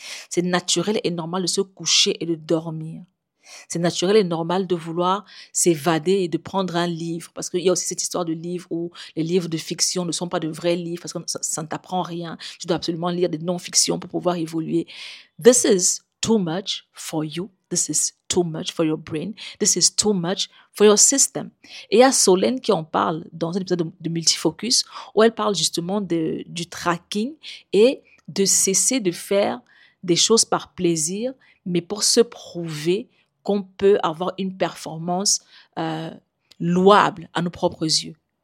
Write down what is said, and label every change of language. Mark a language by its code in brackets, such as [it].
[fr] C'est naturel et normal de se coucher et de dormir. C'est naturel et normal de vouloir s'évader et de prendre un livre. Parce qu'il y a aussi cette histoire de livres où les livres de fiction ne sont pas de vrais livres parce que ça ne t'apprend rien. Tu dois absolument lire des non-fictions pour pouvoir évoluer. [en] This is too much for you. This is too much for your brain. This is too much for your system. [fr] Et il y a Solène qui en parle dans un épisode de Multifocus où elle parle justement du tracking et de cesser de faire des choses par plaisir, mais pour se prouver qu'on peut avoir une performance louable à nos propres yeux.